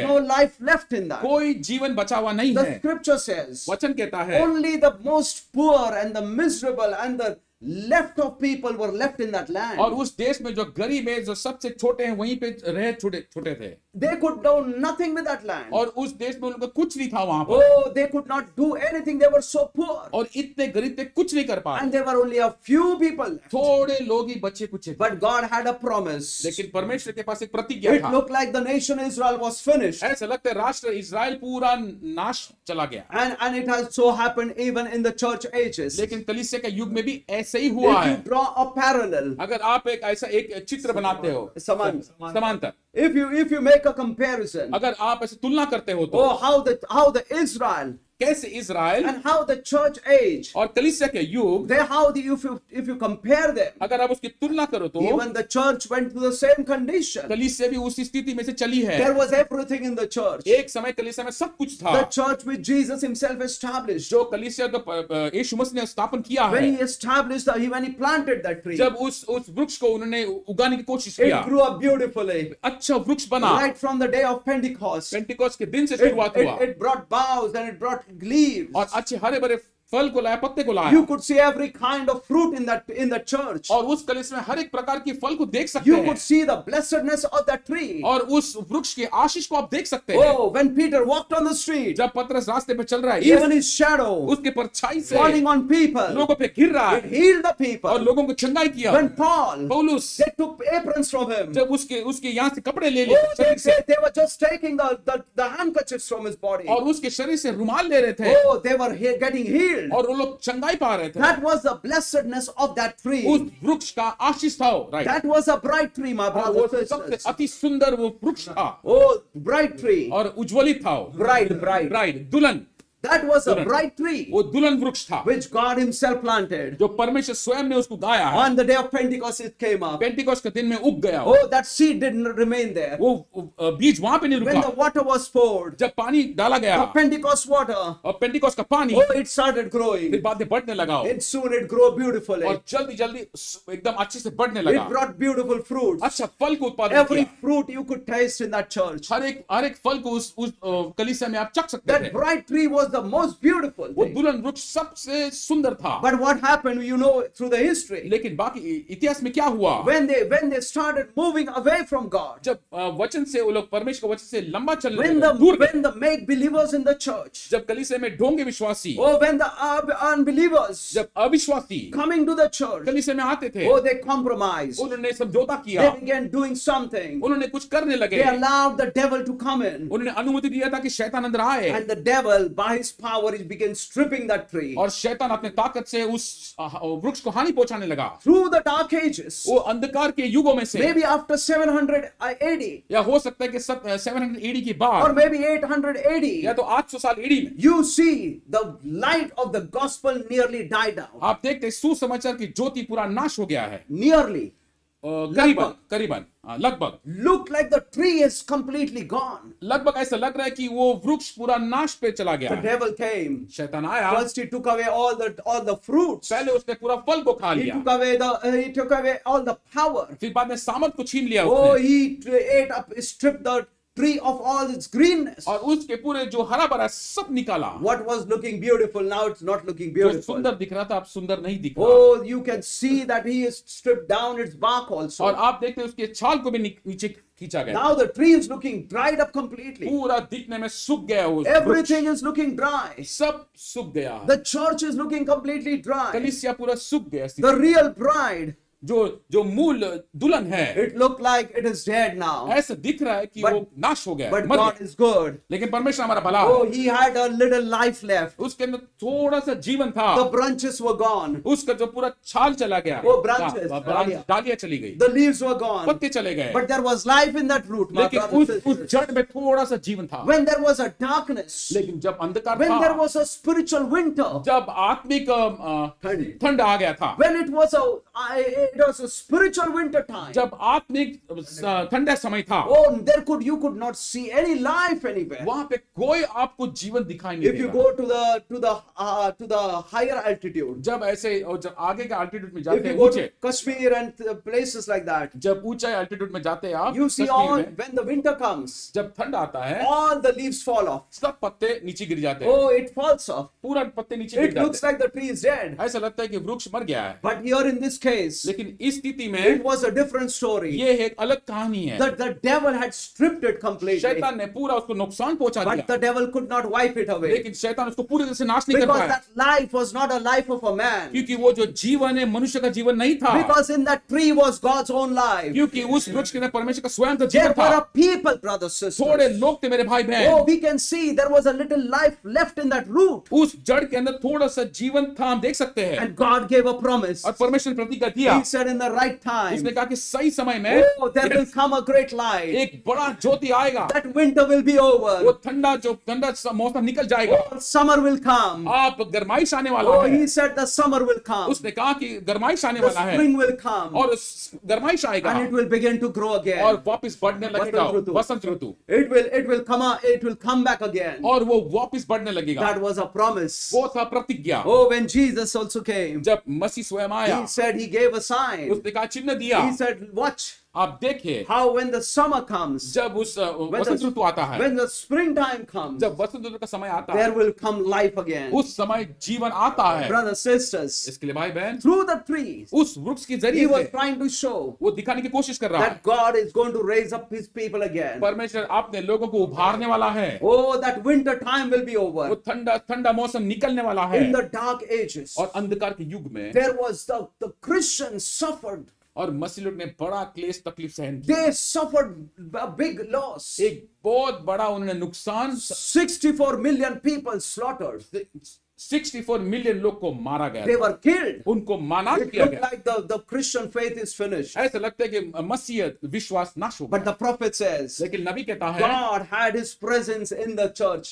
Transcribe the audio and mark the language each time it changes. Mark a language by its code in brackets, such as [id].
[en] There was no life left in that. [hi] कोई जीवन बचा हुआ नहीं है. [en] The scripture says. [hi] वचन कहता है. [en] Only the most poor and the miserable and the left of people were left in that land. [hi] और उस देश में जो गरीब है जो सबसे छोटे हैं वहीं पे रहे छोटे थे. [en] They could do nothing with that land. [hi] और उस देश में उनका कुछ नहीं था वहाँ पर. [en] Oh, they could not do anything. They were so poor. [hi] और इतने गरीब थे कुछ नहीं कर पाए. [en] And there were only a few people. [hi] थोड़े लोग ही बचे कुछ. [en] But God had a promise. [hi] लेकिन परमेश्वर के पास एक प्रतिज्ञा था. [en] It looked like the nation Israel was finished. [hi] ऐसा लगता है राष्ट्र इज़राइल पूरा नाश चला गया. [en] And it has so happened even in the church ages. [hi] लेकिन कलीसिया के युग में भी सही हुआ है. [en] Draw a parallel. [hi] अगर आप एक ऐसा एक चित्र बनाते हो समांतर. [en] If you make a comparison. [hi] अगर आप ऐसे तुलना करते हो तो. [en] Oh, how the Israel. [hi] कैसे Israel. [en] And how the church age. [hi] और कलीसिया के युग. [en] They how the if you compare them. [hi] अगर आप उसकी तुलना करो तो. [en] Even the church went through the same condition. [hi] कलीसिया भी उसी स्थिति में से चली है. [en] There was everything in the church. [hi] एक समय कलीसिया में सब कुछ था. [en] The church which Jesus himself established. [hi] जो कलीसिया यीशु मसीह ने स्थापन किया है. [en] When he established that, when he planted that tree. [hi] जब उस वृक्ष को उन्होंने उगाने की कोशिश किया. [en] It grew up beautifully. [hi] अच्छा वृक्ष बना. [en] Right from the day of Pentecost. [hi] Pentecost के दिन से शुरुआत हुआ. [en] It brought boughs and it brought leaves. [hi] और अच्छे हरे भरे फल को लाया पत्ते को लाया. [en] You could see every kind of fruit in that church. [hi] और उस कलीसिया में हर एक प्रकार की फल को देख सकते हैं. [en] You could see the blessedness of that tree. [hi] और उस वृक्ष के आशीष को आप देख सकते हैं. [en] Oh, when Peter walked on the street. [hi] जब पतरस रास्ते पे चल रहा है. [en] Even his shadow. [hi] उसके परछाई से. [en] Falling on people. [hi] लोगों पे गिर रहा है. [en] It healed the people. [hi] और लोगों को चंगाई किया. [en] When Paul. [hi] पौलुस. [en] They took aprons from him. [hi] जब उसके यहाँ से कपड़े ले लिए. [en] Oh, they were just taking the handkerchiefs from his body. [hi] और उसके शरीर से रुमाल ले रहे थे. [en] Oh, they were getting healed. healed. [hi] और वो लोग चंगाई पा रहे थे. [en] That was the blessedness of that tree. [hi] उस वृक्ष का आशीष था. [en] Right. That was a bright tree, my brother. [hi] वो सबसे अति सुंदर वो वृक्ष था. [en] Oh, bright tree. [hi] और उज्जवलित था. [en] Bright. [hi] दुल्हन. [en] That was a bright tree. [hi] वो दुल्हन वृक्ष था. [en] Which God Himself planted. [hi] जो परमेश्वर स्वयं ने उसको उगाया. [en] On the day of Pentecost it came up. [hi] Pentecost के दिन में उग गया. [en] Oh, that seed didn't remain there. [hi] वो बीज वहाँ पे नहीं रुका. [en] When the water was poured. [hi] जब पानी डाला गया. [en] The Pentecost water. [hi] और Pentecost का पानी. [en] Oh, it started growing. [hi] फिर बाद में बढ़ने लगा. [en] And soon it grew beautifully. [hi] और जल्दी एकदम अच्छे से बढ़ने लगा. [en] It brought beautiful fruits. [hi] अच्छा फल को उत्पादन. [en] Every fruit you could taste in that church. [hi] हर एक फल को उस कलीसिया में आप चख सकते. [en] That bright tree was the most beautiful. [hi] वो दुल्हन वृक्ष सबसे सुंदर था. [en] But what happened, you know, through the history? [hi] लेकिन बाकी इतिहास में क्या हुआ? [en] When they started moving away from God. [hi] जब वचन से वो लोग परमेश्वर के वचन से लंबा चलने लगे. [en] When the make believers in the church. [hi] जब कलीसिया में ढोंगे विश्वासी. [en] Oh, when the unbelievers. [hi] जब अविश्वासी. [en] Coming to the church. [hi] कलीसिया में आते थे. [en] Oh, they compromised. [hi] उन्होंने समझौता किया. [en] They began doing something. [hi] उन्होंने कुछ करने लगे. [en] They allowed the devil to come in. [hi] उन्होंने अनुमति दिया था कि शैतान अंदर आए. [en] And the devil His power is begin stripping that tree. [hi] और शैतान अपने ताकत से उस वृक्ष को हानि पहुंचाने लगा. [en] Through the dark ages. [hi] वो अंधकार के युगों में से. [en] Maybe after 700 AD. [hi] या हो सकता है कि 700 AD के बाद. [en] Or maybe 800 AD. [hi] या तो 800 साल AD. [en] You see the light of the gospel nearly died out. [hi] आप देखते हैं सुसमाचार की ज्योति पूरा नाश हो गया है. [en] Nearly. [hi] करीबन लगभग. [en] Look like the tree is completely gone. [hi] लगभग ऐसा लग रहा है कि वो वृक्ष पूरा नाश पे चला गया. [en] The devil came. [hi] शैतान आया. [en] First he took away all the fruits. [hi] पहले उसने पूरा फल को खा लिया. [en] He took away all the power. [hi] फिर बाद में सामर्थ को छीन लिया. [en] Oh, he ate up, stripped the tree of all its greenness. [hi] और उसके पूरे जो हरा भरा सब निकाला. [en] What was looking beautiful now it's not looking beautiful. [hi] जो सुंदर दिख रहा था अब सुंदर नहीं दिख रहा. [en] Oh, you can see that he is stripped down its bark also. [hi] और आप देखते हैं उसके छाल को भी नीचे खींचा गया. [en] Now the tree is looking dried up completely. [hi] पूरा दिखने में सूख गया उस. [en] Everything is looking dry. [hi] सब सूख गया. [en] The church is looking completely dry. [hi] कलीसिया पूरा सूख गया. [en] The real bride. [hi] जो मूल दुल्हन है. [en] It look like it is dead now. [hi] ऐसा दिख रहा है कि वो नाश हो गया. [en] But God is good. [hi] लेकिन परमेश्वर हमारा भला. [en] Oh, he had a little life left. [hi] उसके अंदर थोड़ा सा जीवन था. [en] The branches were gone. [hi] उसका जो पूरा छाल चला गया. [en] Oh, branches. [hi] डालियां चली गई. [en] The leaves were gone. [hi] पत्ते चले गए. [en] But there was life in that root. [hi] लेकिन उस जड़ में थोड़ा सा जीवन था. [en] When there was a darkness. [hi] लेकिन जब अंधकार था. [en] When there was a spiritual winter. [hi] जब आत्मिक ठंड आ गया था. [en] When it was It was a spiritual winter time. [hi] जब आत्मिक ठंडा समय था. [en] Oh, there could you could not see any life anywhere. [hi] वहाँ पे कोई आपको जीवन दिखाई नहीं [en] If you go to the higher altitude. [hi] जब ऐसे और जब आगे के altitude में जाते हैं ऊँचे. [en] Kashmir and places like that. [hi] जब ऊँचे altitude में जाते हैं आप. [en] You see all when the winter comes. [hi] जब ठंड आता है. [en] All the leaves fall off. [hi] सब पत्ते नीचे गिर जाते हैं. [en] Oh, it falls off. [hi] पूरा पत्ते नीचे गिर जाते हैं. [en] It looks like the tree is dead. [hi] ऐसा लगता है कि वृक्ष मर गया है. [en] But here in this case. [hi] लेकिन इस स्थिति में [en] it was a different story. [hi] ये एक अलग कहानी है. [en] The devil had stripped it completely. [hi] शैतान ने पूरा उसको नुकसान पहुंचा दिया. [en] But the devil could not wipe it away. [hi] लेकिन शैतान उसको पूरी तरह से नाश नहीं कर पाया. [en] Because that life was not a life of a man. [hi] क्योंकि वो जो जीवन है मनुष्य का जीवन नहीं था. [en] Because in that tree was God's own life. [hi] क्योंकि उस वृक्ष के अंदर परमेश्वर का स्वयं का जीवन था. [en] There were people, brothers, sisters. [hi] थोड़े लोग थे मेरे भाई बहन. [en] Oh, we can see there was a little life left in that root. [hi] उस जड़ के अंदर थोड़ा सा जीवन था हम देख सकते हैं. [en] And God gave a promise. [hi] और परमेश्वर ने प्रतिज्ञा दी. [en] He said in the right time. [hi] उसने कहा कि सही समय में. [en] Oh, there will come a great light. [hi] एक बड़ा ज्योति आएगा. [en] That winter will be over. [hi] वो ठंडा जो ठंडा मौसम निकल जाएगा. [en] Oh, summer will come. [hi] आप गर्माइश आने वाला है. [en] Oh, he said the summer will come. [hi] उसने कहा कि गर्माइश आने वाला है. [en] The spring will come. [hi] और गर्माइश आएगा. [en] And it will begin to grow again. [hi] और वापस बढ़ने लगेगा. वसंत ऋतु. [en] It will come back again. [hi] और वो वापस बढ़ने लगेगा. [en] That was a promise. [hi] वो था प्रतिज्ञा. [en] Oh, when Jesus also came. [hi] जब मसीह स्वयं आया. [en] He said he gave a sign. [hi] उसने कहा चिन्ह दिया. [en] He said, watch. [hi] आप देखिए. [en] How when the summer comes. [hi] जब उस वसंत ऋतु आता है. [en] When the spring time comes. [hi] जब वसंत ऋतु का समय आता है. [en] There will come life again. [hi] उस समय जीवन आता है. [en] Brothers, sisters. [hi] इसके लिए भाई बहन. [en] Through the tree. [hi] उस वृक्ष के जरिए. [en] He was trying to show. [hi] वो दिखाने की कोशिश कर रहा है. [en] That God is going to raise up His people again. [hi] परमेश्वर अपने लोगों को उभारने वाला है. [en] Oh, that winter time will be over. [hi] वो ठंडा मौसम निकलने वाला है. [en] In the dark ages. [hi] और अंधकार के युग में. [en] There was the Christian suffered. [hi] और मसीह लोग ने बड़ा क्लेश तकलीफ सहन किया. [en] They suffered a big loss. [hi] एक बहुत बड़ा उन्होंने नुकसान. [en] 64 million people slaughtered. [hi] 64 million लोग को मारा गया [en] they were killed. [hi] उनको माना किया गया [en] like the Christian faith is finished. [hi] ऐसा लगता है कि मसीहत विश्वास नाश हो गया [en] but the prophet says, [hi] लेकिन नबी कहता है [en] God had his presence in the church.